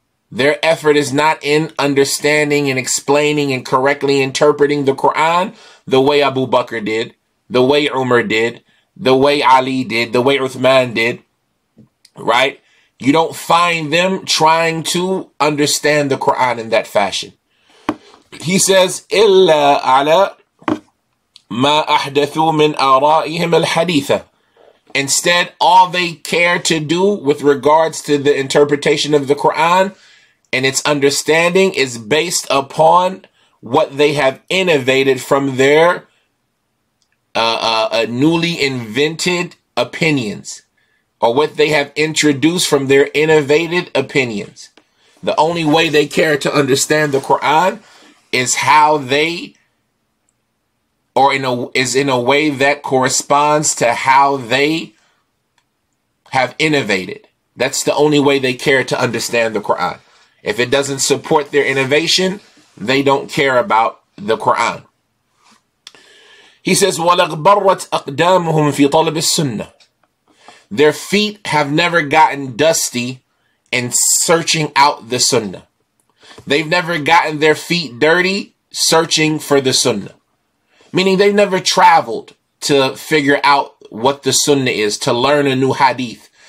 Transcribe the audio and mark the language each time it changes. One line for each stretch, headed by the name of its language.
English: Their effort is not in understanding and explaining and correctly interpreting the Quran the way Abu Bakr did, the way Umar did, the way Ali did, the way Uthman did, right? You don't find them trying to understand the Quran in that fashion. He says,
Arabic: إِلَّا عَلَى مَا أَحْدَثُوا مِنْ آرَائِهِمْ الْحَدِيثَ.
English: Instead, all they care to do with regards to the interpretation of the Quran and its understanding is based upon what they have innovated from their newly invented opinions, or what they have introduced from their innovated opinions. The only way they care to understand the Quran is how they or in a is in a way that corresponds to how they have innovated. That's the only way they care to understand the Quran. If it doesn't support their innovation, they don't care about the Quran. He says,
Arabic: وَلَغْبَرَّتْ أَقْدَامُهُمْ فِي طَلَبِ السُّنَّةِ.
English: Their feet have never gotten dusty in searching out the sunnah. They've never gotten their feet dirty searching for the sunnah. Meaning they've never traveled to figure out what the sunnah is, to learn a new hadith.